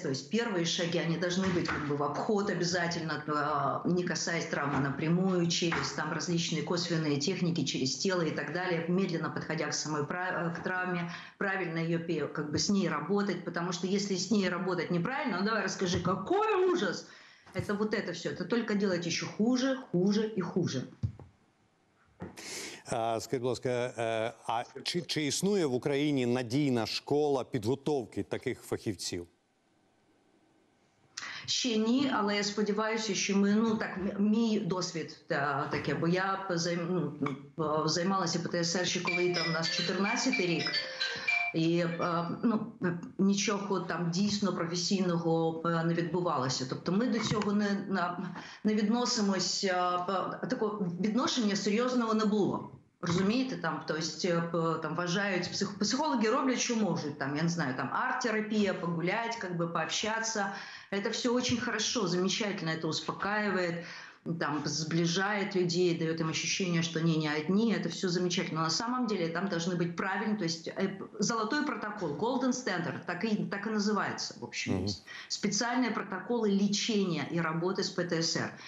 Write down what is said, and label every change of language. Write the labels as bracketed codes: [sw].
[ru] То есть первые шаги, они должны быть как бы в обход обязательно, не касаясь травмы напрямую, через там различные косвенные техники, через тело и так далее, медленно подходя к самой к травме, правильно ее как бы с ней работать. Потому что если с ней работать неправильно, ну давай расскажи, какой ужас! Це вот это все. [uk] Це тільки [ru] делать [uk] ще [ru] хуже, хуже [uk] і хуже. Скажіть, будь ласка, а чи існує в Україні надійна школа підготовки таких фахівців? Ще ні, але я сподіваюся, що ми, ну так, мій досвід таке, бо я займалася ПТСР ще коли там у нас 14-й рік. І ну, нічого там дійсно професійного не відбувалося. Тобто ми до цього не відносимось, такого відношення серйозного не було. Розумієте, там, тобто, там вважають, психологи роблять, що можуть, там, я не знаю, там, арт-терапія, [ru] погулять, как бы, пообщаться. Это все очень хорошо, замечательно, это успокаивает, там, сближает людей, дает им ощущение, что они не одни, это все замечательно. Но на самом деле там должны быть правильные, то есть золотой протокол, [en] golden standard, [ru] так и называется, в общем. Mm-hmm. Специальные протоколы лечения и работы с ПТСР.